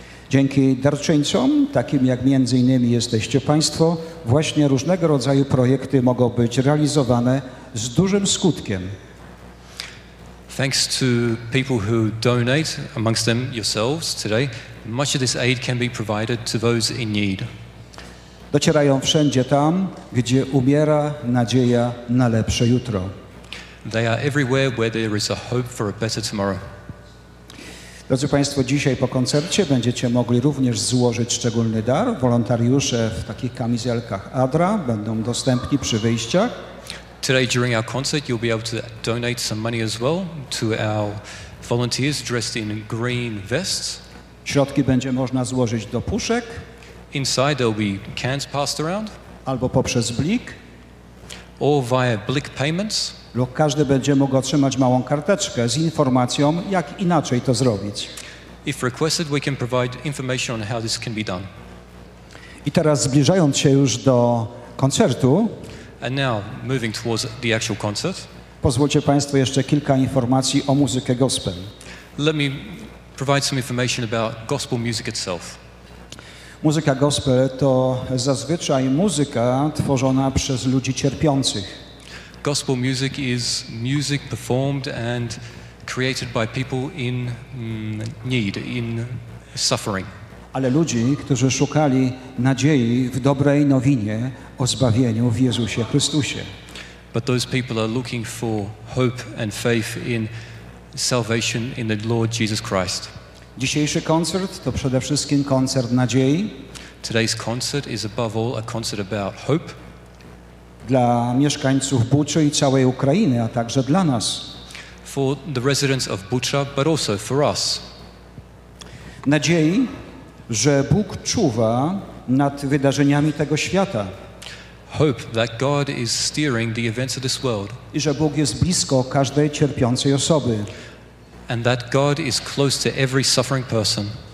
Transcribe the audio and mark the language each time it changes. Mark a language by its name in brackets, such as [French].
[Polish] Dzięki darczyńcom, takim jak między innymi jesteście Państwo, właśnie różnego rodzaju projekty mogą być realizowane z dużym skutkiem. [English] Thanks to people who donate, amongst them yourselves today, much of this aid can be provided to those in need. [Polish] Docierają wszędzie tam, gdzie umiera nadzieja na lepsze jutro. [English] They are everywhere where there is a hope for a better tomorrow. [Polish] Drodzy Państwo, dzisiaj po koncercie będziecie mogli również złożyć szczególny dar. Wolontariusze w takich kamizelkach ADRA będą dostępni przy wyjściach. [English] Today during our concert you'll be able to donate some money as well to our volunteers dressed in green vests. [Polish] Środki będzie można złożyć do puszek. [English] Inside there'll be cans passed around. [Polish] Albo poprzez blik. [English] Or via blik payments. [Polish] lub każdy będzie mógł otrzymać małą karteczkę z informacją, jak inaczej to zrobić. [English] If requested, we can provide information on how this can be done. [Polish] I teraz zbliżając się już do koncertu, [English] and now, moving towards the actual concert, [Polish] pozwólcie Państwo jeszcze kilka informacji o muzykę gospel. [English] Let me provide some information about gospel music itself. [Polish] Muzyka gospel to zazwyczaj muzyka tworzona przez ludzi cierpiących. [English] Gospel music is music performed and created by people in need, in suffering. [Polish] Ale ludzi, którzy szukali nadziei w dobrej nowinie o zbawieniu w Jezusie Chrystusie. [English] But those people are looking for hope and faith in salvation in the Lord Jesus Christ. [Polish] Dzisiejszy koncert to przede wszystkim koncert nadziei. [English] Today's concert is above all a concert about hope. [Polish] Dla mieszkańców Buczy i całej Ukrainy, a także dla nas. [English] For the residents of Bucha, but also for us. [Polish] Nadziei, że Bóg czuwa nad wydarzeniami tego świata. [English] Hope that God is steering the events of this world. [Polish] I że Bóg jest blisko każdej cierpiącej osoby. [English] And that God is close to every suffering person.